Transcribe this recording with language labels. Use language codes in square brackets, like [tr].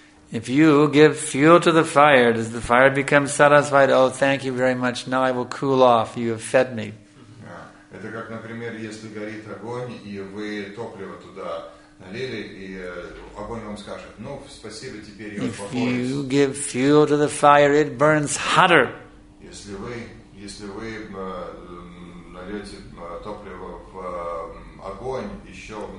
[en] If you give fuel to the fire, does the fire become satisfied? Oh, thank you very much. Now I will cool off. You have fed me. [ru] Это как, например, если горит огонь и вы топливо туда налили и огонь вам скажет: ну, спасибо теперь. [en] If you give fuel to the fire, it burns hotter. [ru] Если вы нальете топливо в огонь еще.